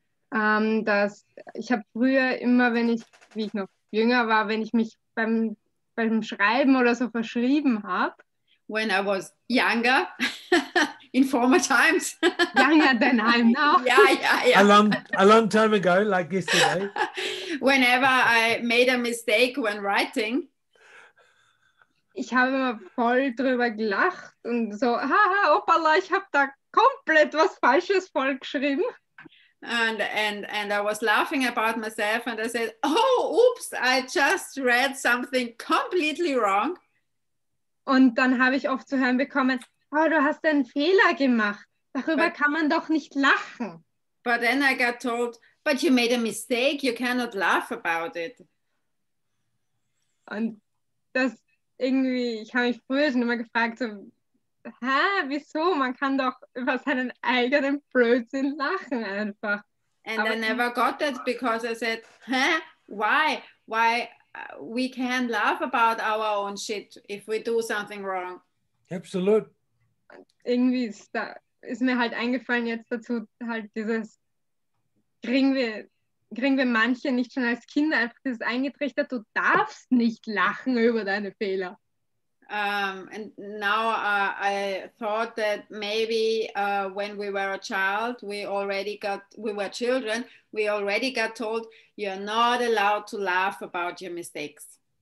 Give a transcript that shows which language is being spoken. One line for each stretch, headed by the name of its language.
German: Dass ich habe früher immer, wenn ich mich beim Schreiben oder so verschrieben habe.
English: When I was younger, in former times. Younger than I am now. Yeah. A long time ago, like yesterday. Whenever I made a mistake when writing.
German: Ich habe immer voll drüber gelacht und so, haha, opala, ich habe da komplett was Falsches vollgeschrieben.
English: And I was laughing about myself and I said, oh, oops, I just read something completely wrong.
German: Und dann habe ich oft zu hören bekommen, oh, du hast einen Fehler gemacht. Darüber kann man doch nicht lachen.
English: But then I got told, but you made a mistake, you cannot laugh about it.
German: Und das irgendwie, ich habe mich früher schon immer gefragt, so, hä, wieso? Man kann doch über seinen eigenen Blödsinn lachen einfach.
English: And I never got that because I said, hä, why? Why? We can laugh about our own shit if we do something wrong.
German: Absolut. Irgendwie ist mir halt eingefallen jetzt dazu, halt dieses, kriegen wir manche nicht schon als Kinder einfach dieses eingetrichtert, du darfst nicht lachen über deine Fehler.
English: I thought that maybe when we were a child, we were children, we already got told you're not allowed to laugh about your mistakes.